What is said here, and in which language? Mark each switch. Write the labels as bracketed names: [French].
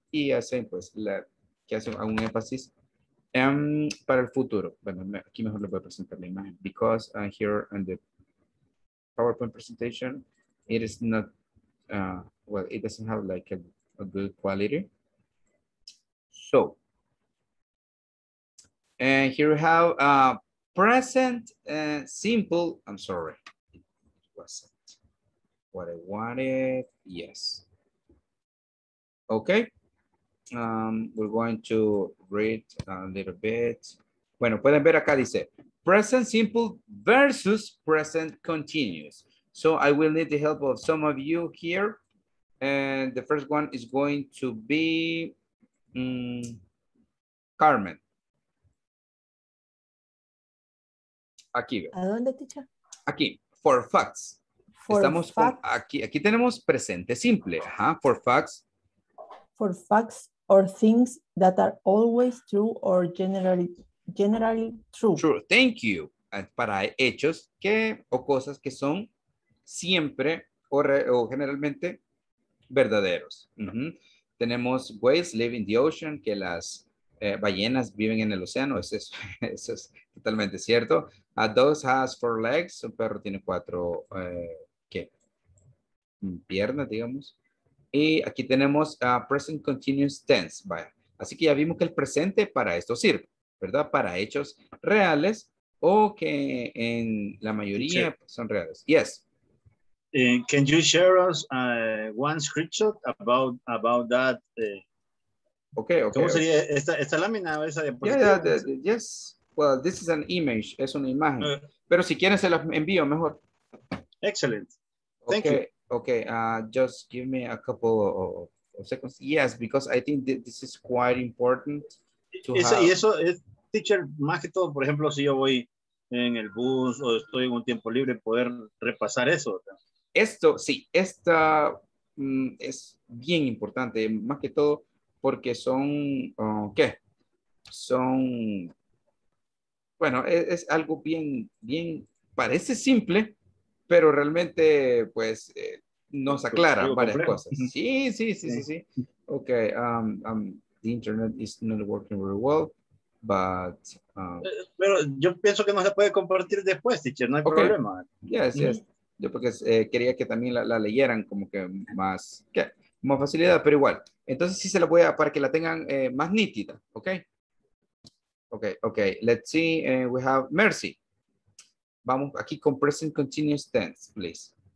[Spanish] Y hacen pues la que hacen un énfasis para el futuro. Bueno, aquí mejor les voy a presentar la imagen. [English] Because here in the PowerPoint presentation, it is not, it doesn't have like a good quality. So, and here we have present simple. I'm sorry, it wasn't what I wanted. Yes. Okay. We're going to read a little bit. [Spanish] Bueno, pueden ver acá dice present simple versus present continuous. [English] So I will need the help of some of you here. And the first one is going to be Carmen. [Spanish] Aquí. ¿A dónde, teacher? Aquí, [English] for facts. For [Spanish] estamos [English] facts. [Spanish] Con, aquí tenemos presente simple. Ajá, [English] for facts. For facts. Or things that are always true or generally true. True, thank you. [Spanish] Para hechos que o cosas que son siempre o generalmente verdaderos. Mm-hmm. Tenemos [English] whales live in the ocean, [Spanish] que las ballenas viven en el océano. Eso es totalmente cierto. [English] A dog has four legs. [Spanish] Un perro tiene cuatro ¿qué? Piernas, digamos. Y aquí tenemos present continuous tense. Vaya. Así que ya vimos que el presente para esto sirve, ¿verdad? Para hechos reales o que en la mayoría sí son reales. [English] Yes. Can you share us one screenshot about that? Okay. [Spanish] ¿Cómo sería esta lámina o esa diapositiva? [English] Yes. Well, this is an image. [Spanish] Es una imagen. Pero si quieren se la envío mejor. [English] Excellent. Thank you. Okay. Just give me a couple of seconds. Yes, because I think this is quite important to have. [Spanish] Y eso es, teacher, más que todo, por ejemplo, si yo voy en el bus o estoy en un tiempo libre, poder repasar eso. Esto, sí, esta es bien importante, más que todo porque son, ¿qué? Son, bueno, es algo bien, bien, parece simple, pero realmente, pues, nos aclara varias cosas. Sí. [English] Ok, the internet is not working very well, but... [Spanish] pero yo pienso que no se puede compartir después, teacher, no hay okay problema. [English] Yes, yes. Mm-hmm. [Spanish] Yo porque quería que también la leyeran como que más, ¿qué? Más facilidad, pero igual. Entonces sí se la voy a, para que la tengan más nítida, ¿ok? [English] Ok, let's see, we have Mercy. [Spanish] Vamos aquí con [English] present continuous tense, please.